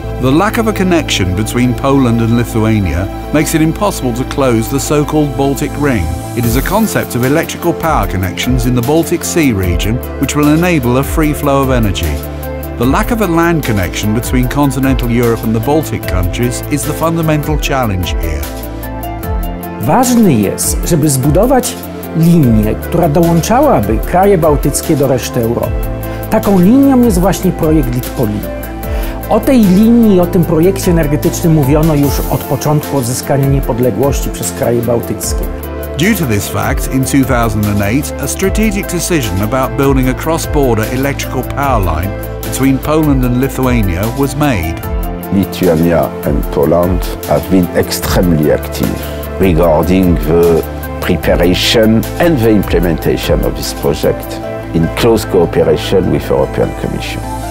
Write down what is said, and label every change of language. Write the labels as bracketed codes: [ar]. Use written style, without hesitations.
[en] The lack of a connection between Poland and Lithuania makes it impossible to close the so-called Baltic Ring. It is a concept of electrical power connections in the Baltic Sea region which will enable a free flow of energy. The lack of a land connection between continental Europe and the Baltic countries is the fundamental challenge here. [pl] Ważne jest, żeby zbudować linię, która dołączałaby kraje bałtyckie do reszty Europy. Taką linią jest właśnie projekt LitPol Link. O tej linii i o tym projekcie energetycznym mówiono już od początku odzyskania niepodległości przez kraje bałtyckie. [en] Due to this fact, in 2008, a strategic decision about building a cross-border electrical power line between Poland and Lithuania was made. Lithuania and Poland have been extremely active regarding the preparation and the implementation of this project in close cooperation with the European Commission.